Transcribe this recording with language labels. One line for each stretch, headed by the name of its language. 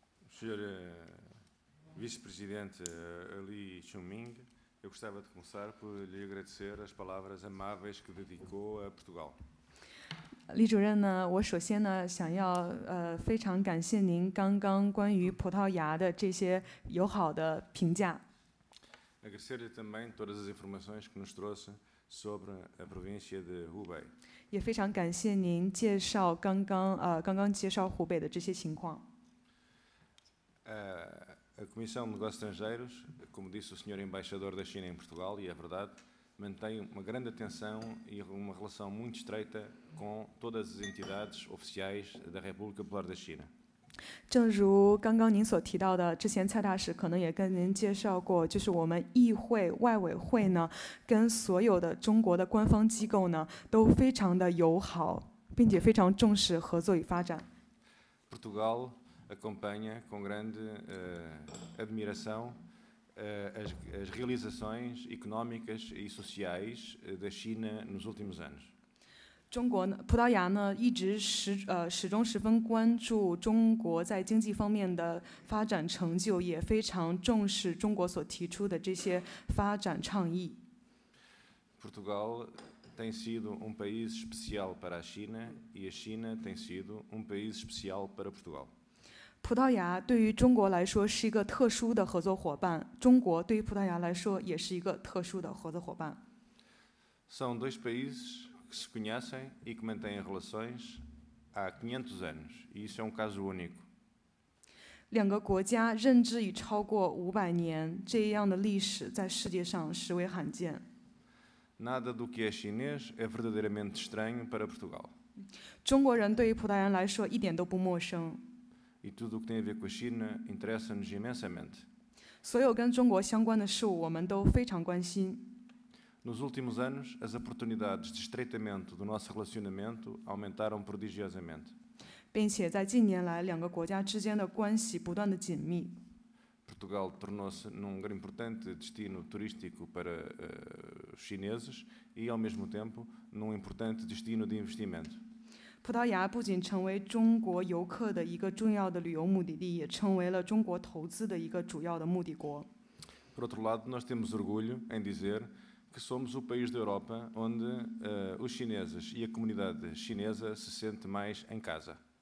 Portuguese: Senhor Vice-Presidente Li Xiuming, eu gostava de começar por lhe agradecer as palavras amáveis que dedicou a Portugal.
Chinese: 李主任呢，我首先呢想要非常感谢您刚刚关于葡萄牙的这些友好的评价。
Portuguese: Agradecer-lhe também todas as informações que nos trouxe sobre a província de Hubei.
Chinese: 也非常感谢您介绍刚刚介绍湖北的这些情况。
Portuguese: A Comissão de Negócios Estrangeiros, como disse o senhor embaixador da China em Portugal, e é verdade, mantém uma grande atenção e uma relação muito estreita com todas as entidades oficiais da República Popular da China.
Chinese: 正如刚刚您所提到的，之前蔡大使可能也跟您介绍过，就是我们议会外委会呢，跟所有的中国的官方机构呢，都非常的友好，并且非常重视合作与发展。
Portuguese: Portugal acompanha com grande admiração as realizações económicas e sociais da China nos últimos anos.
Chinese: 中国呢，葡萄牙呢，一直始终十分关注中国在经济方面的发展成就，也非常重视中国所提出的这些发展倡议。
Portuguese: Portugal tem sido país especial para a China e a China tem sido país especial para Portugal。
Chinese: 葡萄牙对于中国来说是一个特殊的合作伙伴，中国对于葡萄牙来说也是一个特殊的合作伙伴。
Portuguese: São dois países. Que se conhecem e que mantêm relações há 500 anos, e isso é caso único.
Chinese: 两个国家认知已超过500年，这样的历史在世界上实为罕见。
Portuguese: Nada do que é chinês é verdadeiramente estranho para Portugal.
Chinese: 中国人对于葡萄牙来说一点都不陌生。
Portuguese: E tudo o que tem a ver com a China interessa-nos imensamente.
Chinese: 所有跟中国相关的事物我们都非常关心。
Portuguese: Nos últimos anos, as oportunidades de estreitamento do nosso relacionamento aumentaram prodigiosamente.
Chinese: 并且在近年来，两个国家之间的关系不断的紧密。
Portuguese: Portugal tornou-se grande importante destino turístico para os chineses e, ao mesmo tempo, importante destino de investimento.
Chinese: 葡萄牙不仅成为中国游客的一个重要的旅游目的地，也成为了中国投资的一个主要的目的国。
Portuguese: Por outro lado, nós temos orgulho em dizer. Que somos o país da Europa onde os chineses e a comunidade chinesa se sente mais em casa.